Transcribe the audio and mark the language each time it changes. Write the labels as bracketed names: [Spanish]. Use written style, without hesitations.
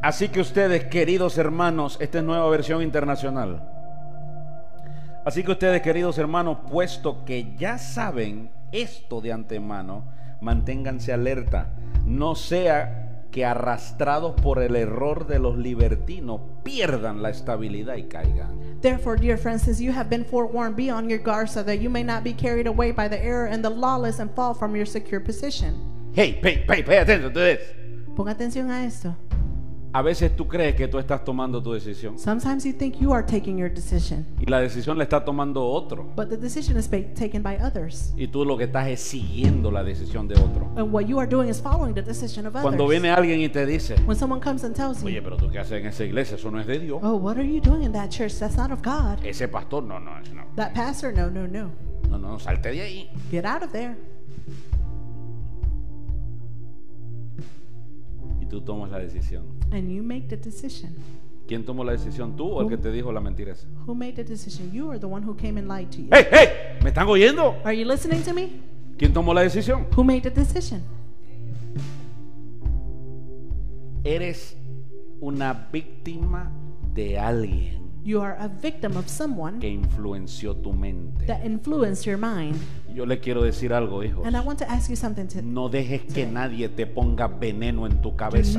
[Spanish] Así que ustedes, queridos hermanos, esta es Nueva Versión Internacional. Así que ustedes, queridos hermanos, puesto que ya saben esto de antemano, manténganse alerta. No sea que arrastrados por el error de los libertinos pierdan la estabilidad y caigan. [English] Therefore, dear friends, since you have been forewarned, be on your guard so that you may not be carried away by the error and the lawless and fall from your secure position. Hey, pay attention to this. [Spanish] Ponga atención a esto. A veces tú crees que tú estás tomando tu decisión. [English] Sometimes you think you are taking your decision. [Spanish] Y la decisión la está tomando otro. [English] But the decision is taken by others. [Spanish] Y tú lo que estás es siguiendo la decisión de otro. [English] And what you are doing is following the decision of others. [Spanish] Cuando viene alguien y te dice, [English] when someone comes and tells you, [Spanish] oye, pero tú qué haces en esa iglesia, eso no es de Dios. [English] Oh, what are you doing in that church? That's not of God. [Spanish] Ese pastor, no, no, no. [English] That pastor, no, no, no. [Spanish] No, no, salte de ahí. [English] Get out of there. [Spanish] Y tú tomas la decisión. [English] And you make the decision. [Spanish] ¿Quién tomó la decisión, tú o el que te dijo la mentira esa? [English] Who made the decision? You or the one who came and lied to you? Hey, hey, [Spanish] ¿me están oyendo? [English] Are you listening to me? [Spanish] ¿Quién tomó la decisión? [English] Who made the decision? [Spanish] Eres una víctima de alguien. [English] You are a victim of someone [Spanish] que influenció tu mente. [English] That influenced your mind. [Spanish] Yo le quiero decir algo, hijos. [English] And I want to ask you something today. [Spanish] No dejes que nadie te ponga veneno en tu cabeza.